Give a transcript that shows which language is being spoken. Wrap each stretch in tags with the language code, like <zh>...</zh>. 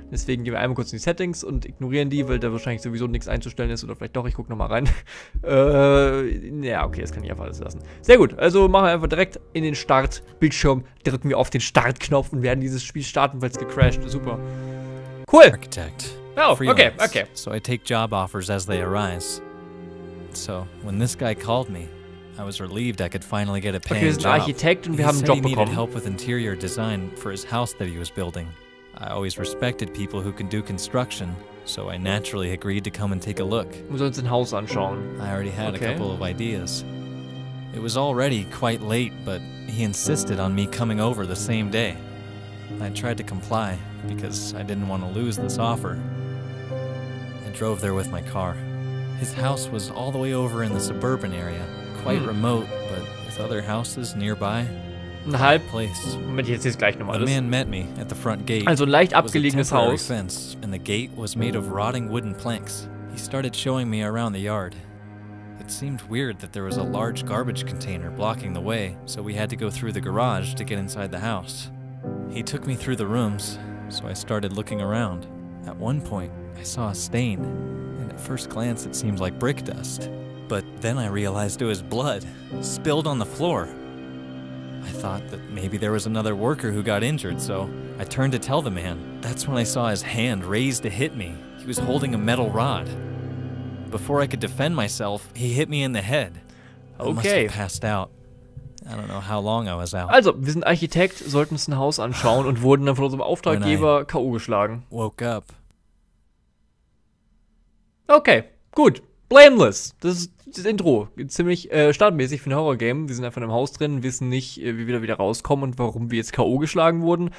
<de>Deswegen gehen wir einmal kurz in die Settings und ignorieren die, weil da wahrscheinlich sowieso nichts einzustellen ist. Oder vielleicht doch, ich gucke nochmal rein. Okay, das kann ich einfach alles lassen. Sehr gut, also machen wir einfach direkt in den Startbildschirm. Drücken wir auf den Startknopf und werden dieses Spiel starten, weil es gecrashed. Super. Cool.</de> <en>Architect. Okay. So I take job offers as they arise. So, when this guy called me, I was relieved I could finally get a paying job.</en> <de>Okay, wir sind Architekt und wir haben einen Job bekommen.</de> <en>He needed help with interior design for his house that he was building. I always respected people who can do construction, so I naturally agreed to come and take a look.</en> <de>Wir sollen uns ein Haus anschauen.</de> <en>I already had a couple of ideas. It was already quite late, but he insisted on me coming over the same day. I tried to comply because I didn't want to lose this offer. I drove there with my car. His house was all the way over in the suburban area. Quite remote, but with other houses nearby.</en> <de>Ein halb place. Moment, jetzt ist gleich nochmal.</de> <en>A man met me at the front gate.</en> <de>Also ein leicht abgelegenes Haus.</de> <en>Fence, and the gate was made of rotting wooden planks. He started showing me around the yard. It seemed weird that there was a large garbage container blocking the way, so we had to go through the garage to get inside the house. He took me through the rooms, so I started looking around. At one point, I saw a stain, and at first glance it seemed like brick dust. But then I realized it was blood, spilled on the floor. I thought that maybe there was another worker who got injured, so I turned to tell the man. That's when I saw his hand raised to hit me. He was holding a metal rod. Before I could defend myself, he hit me in the head. Okay. I must have passed out. I don't know how long I was out.</en> <de>Also, wir sind Architekt, sollten uns ein Haus anschauen und wurden dann von unserem Auftraggeber K.O. geschlagen.</de> <en>Woke up.</en> <de>Okay, gut. Blameless, das ist das Intro. Ziemlich startmäßig für ein Horror-Game. Wir sind einfach im Haus drin, wissen nicht, wie wir da wieder rauskommen und warum wir jetzt K.O. geschlagen wurden.</de>